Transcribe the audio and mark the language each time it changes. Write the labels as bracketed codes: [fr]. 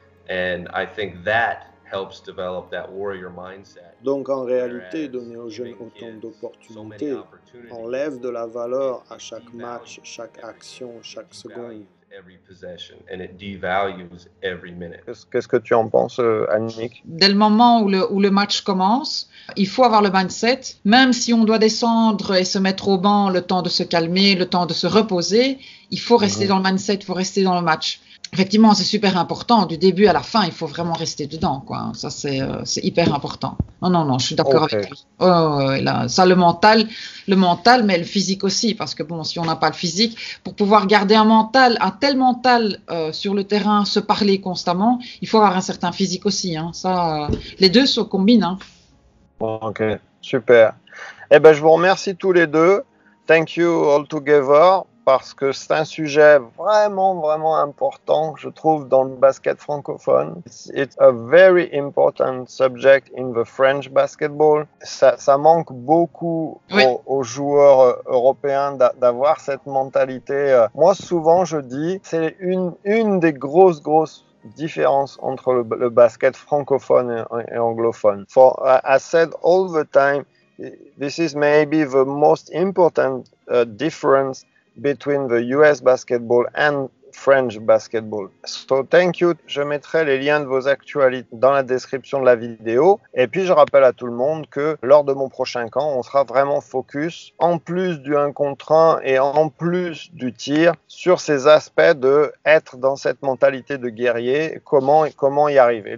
[en] And I think that helps develop that warrior mindset. [fr] Donc en réalité, donner aux jeunes autant d'opportunités enlève de la valeur à chaque match, chaque action, chaque seconde. [en] Every possession and it devalues every minute. [fr] Qu'est-ce que tu en penses, Annick? Dès le moment où le match commence, il faut avoir le mindset, même si on doit descendre et se mettre au banc, le temps de se calmer, le temps de se reposer, il faut rester dans le mindset, il faut rester dans le match. Effectivement, c'est super important. Du début à la fin, il faut vraiment rester dedans, quoi. Ça, c'est hyper important. Non, je suis d'accord avec toi. Le mental, mais le physique aussi. Parce que bon, si on n'a pas le physique, pour pouvoir garder un tel mental sur le terrain, se parler constamment, il faut avoir un certain physique aussi. Hein. Les deux se combinent. Hein. Ok, super. Eh ben, je vous remercie tous les deux. [en] Thank you all together. [fr] Parce que c'est un sujet vraiment, vraiment important, je trouve, dans le basket francophone. [en] It's a very important subject in the French basketball. [fr] Ça manque beaucoup aux joueurs européens d'avoir cette mentalité. Moi, souvent, je dis, c'est une des grosses différences entre le basket francophone et anglophone. [en] I said all the time, this is maybe the most important difference between the US basketball and French basketball. So thank you. [fr] Je mettrai les liens de vos actualités dans la description de la vidéo. Et puis je rappelle à tout le monde que lors de mon prochain camp, on sera vraiment focus, en plus du 1 contre 1 et en plus du tir, sur ces aspects de être dans cette mentalité de guerrier, comment y arriver.